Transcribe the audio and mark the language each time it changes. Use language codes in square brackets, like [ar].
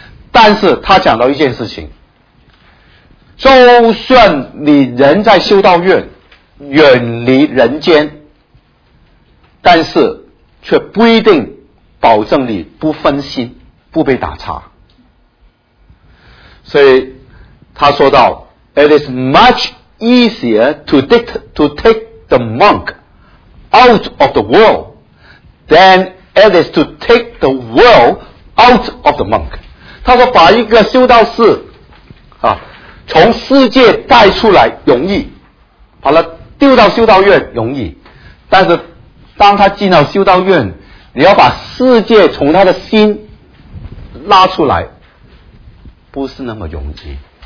[zh] 但是他讲到一件事情，就算你人在修道院远离人间，但是却不一定保证你不分心不被打岔。所以他说到 [en] It is much easier to take the monk out of the worldThen it is to take the world out of the monk。 [zh] 他说把一个修道士啊，从世界带出来容易，把他丢到修道院容易，但是当他进到修道院，你要把世界从他的心拉出来，不是那么容易。